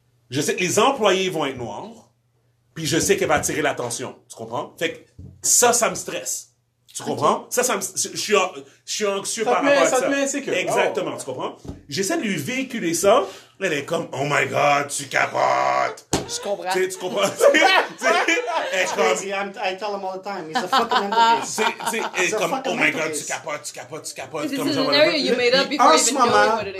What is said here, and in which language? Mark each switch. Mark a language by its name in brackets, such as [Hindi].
[French] Je sais que les employés vont être noirs, puis je sais qu'elle va attirer l'attention. Tu comprends? Fait que ça me stresse. Tu comprends? Okay. Je suis anxieux par rapport à ça. Ça te met insécure. Exactement, oh. Tu comprends? J'essaie de lui véhiculer ça. Elle est comme, [English] oh my god, [French] tu capotes. Je comprends. Tu sais, tu comprends? Tu sais, elle est comme... [English] I tell him all the time, he's a fucking endless. [French] Tu sais, elle est comme, [English] oh my god, [French] tu capotes. [English] This is a scenario you made up before even knowing what it is.